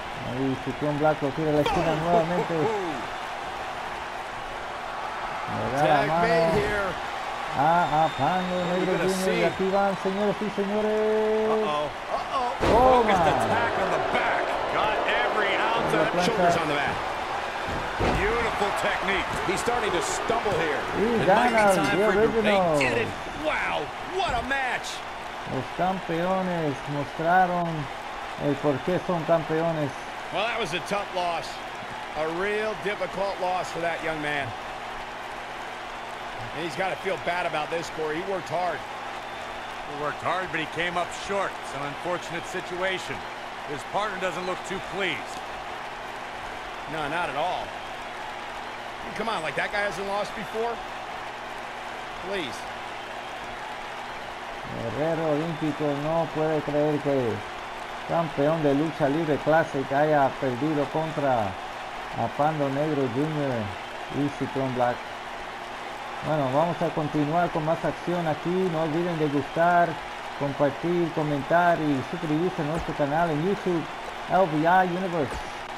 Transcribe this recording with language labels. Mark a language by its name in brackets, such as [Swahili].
[Spanish] Ahí, Ciclón Black lo tira de esquina nuevamente. [English] Tag made here. [Spanish] a Apando, Negro Junior, y aquí van, señores y señores. [English] Focused attack on the back. Got every ounce of them shoulders on the mat. Beautiful technique. He's starting to stumble here. [Spanish] Y gana el The Original. [English] They did it. Wow, what a match. [Spanish] Los campeones mostraron el por qué son campeones. [English] Well, that was a tough loss. A real difficult loss for that young man. And he's got to feel bad about this, Corey. He worked hard. He worked hard, but he came up short. It's an unfortunate situation. His partner doesn't look too pleased. No, not at all. Come on, like that guy hasn't lost before? Please. [Spanish] Guerrero Olimpico no puede creer que campeón de lucha libre clásica haya perdido contra Apando Negro Jr. y Ciclón Black. Bueno, vamos a continuar con más acción aquí. No olviden de gustar, compartir, comentar y suscribirse a nuestro canal en YouTube, LVI Universe.